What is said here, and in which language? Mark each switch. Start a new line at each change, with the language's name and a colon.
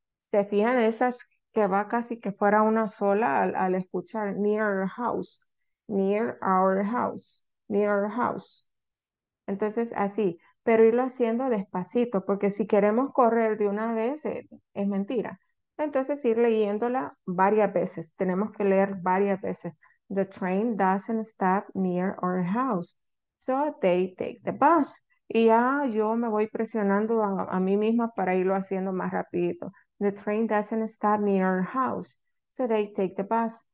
Spanish: ¿Se fijan esas que va casi que fuera una sola al escuchar?
English: Near our house, near our house.
Spanish: Entonces así. Pero irlo haciendo despacito, porque si queremos correr de una vez, es mentira. Entonces, ir leyéndola varias veces. Tenemos que leer varias veces.
English: The train doesn't stop near our house, so they take the bus.
Spanish: Y ya yo me voy presionando a mí misma para irlo haciendo más rapidito.
English: The train doesn't stop near our house, so they take the bus.